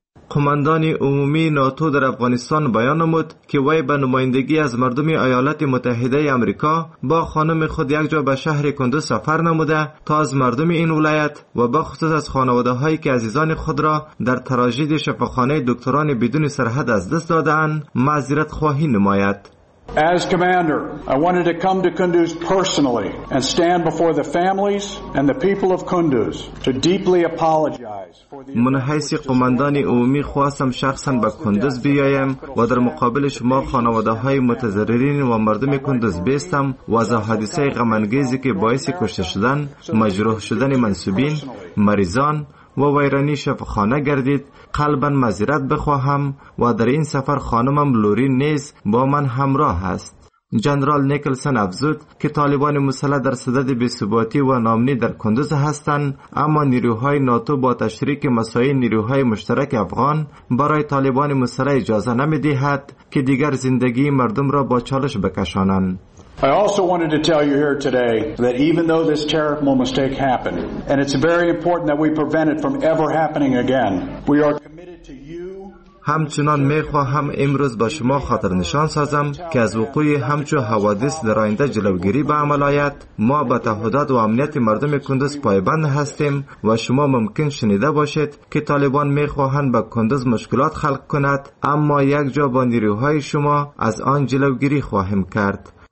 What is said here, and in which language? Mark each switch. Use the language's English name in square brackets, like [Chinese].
[Persian] قماندان عمومی ناتو در افغانستان بیان نمود که وی به نمایندگی از مردم ایالات متحده آمریکا با خانم خود یک جا به شهر کندوز سفر نموده تا از مردم این ولایت و بخصوص از خانواده هایی که عزیزان خود را در تراژدی شفاخانه دکتران بدون سرحد از دست دادند معذرت خواهی نماید. [English] As commander, I wanted to come to Kunduz personally and stand before the families and the people of Kunduz to deeply apologize for the [Persian] من حیث قماندان عمومی خواستم شخصا به کندوز بیایم و در مقابل شما خانواده های متضررین و مردم کندوز بیستم و از حادثه غم انگیزی که باعث کشته شدن، مجروح شدن منصوبین، مریضان و ویرانی شفاخانه گردید، قلبا معذرت بخواهم و در این سفر خانمم لورین نیز با من همراه است. جنرال نیکلسن افزود که طالبان مسلح در صدد بی‌ثباتی و ناامنی در کندوز هستند، اما نیروهای ناتو با تشریک مساعی نیروهای مشترک افغان برای طالبان مسلح اجازه نمی‌دهد که دیگر زندگی مردم را با چالش بکشانند. [English] I also wanted to tell you here today that even though this terrible mistake happened, and it's very important that we prevent it from ever happening again, we are committed to you. [Persian] همچنان می خواهم امروز با شما خاطر نشان سازم که از وقوع همچو حوادث در آینده جلوگیری به عمل آید. ما به تعهدات و امنیت مردم کندز پایبند هستیم و شما ممکن شنیده باشید که طالبان می خواهند به کندز مشکلات خلق کند، اما یک جا با نیروهای شما از آن جلوگیری خواهیم کرد.